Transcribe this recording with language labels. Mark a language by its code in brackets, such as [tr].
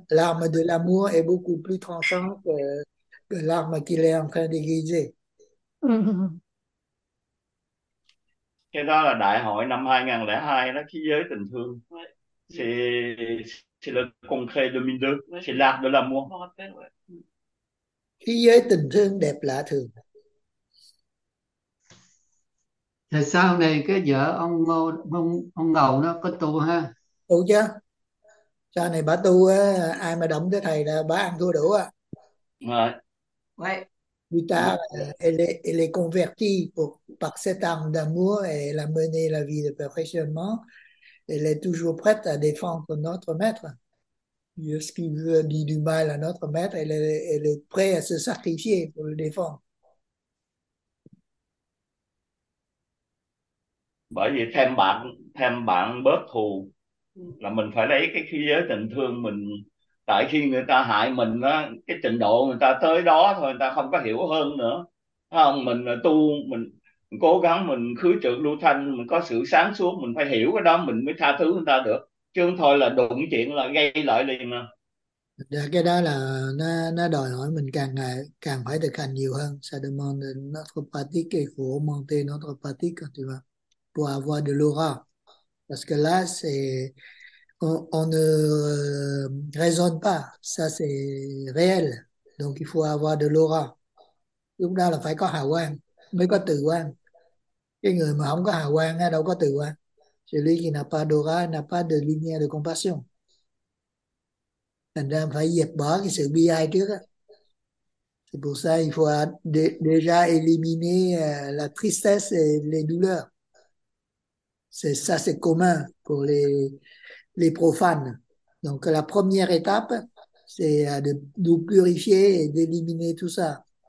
[fr] L'arme de l'amour est beaucoup plus tranchant que l'arme qu'il est en train d'aiguiser. [vi] Cái đó là đại hội năm 2002 đó, khí giới tình thương. [fr] c'est le concret de mine deux, c'est l'art de l'amour. [vi] Khi giới tình thương đẹp lạ thường. Thì sau này cái vợ ông Ngô, ông Ngầu nó có tu Tu sau này bà tu ai mà động tới thầy là bà ăn thua đủ à. ha? Rồi. [fr] Ouais. Lui Ouais. tard, elle est convertie pour, par cet arme d'amour et elle a mené la vie de perfectionnement. Elle est toujours prête à défendre notre maître. Lorsqu'il veut dire du mal à notre maître, elle est prête à se sacrifier pour le défendre. [vi] Bởi vì thêm bạn bớt thù là mình phải lấy cái khí giới tình thương mình, tại khi người ta hại mình á, cái trình độ người ta tới đó thôi, người ta không có hiểu hơn nữa, thấy không? Mình tu, mình cố gắng, mình khứ trực lưu thanh, mình có sự sáng suốt, mình phải hiểu cái đó mình mới tha thứ người ta được, chứ không thôi là đụng chuyện là gây lợi liền à. Cái đó là nó đòi hỏi mình càng ngày càng phải thực hành nhiều hơn. [fr] Ça demande notre pratique et faut augmenter notre pratique tu vois, pour avoir de l'aura. Parce que là, c'est on ne raisonne pas. Ça, c'est réel. Donc, il faut avoir de l'aura. [vi] Lúc đó là phải có hào quang, mới có từ quang. Cái người mà không có hào quang, đâu có từ quang. [fr] Celui qui n'a pas d'aura, n'a pas de lumière de compassion. [vi] Thành ra phải dẹp bỏ cái sự bi ai trước á. [fr] C'est pour ça il faut déjà éliminer la tristesse et les douleurs. C'est ça, c'est commun pour les profanes. Donc la première étape, c'est de nous purifier et d'éliminer tout ça.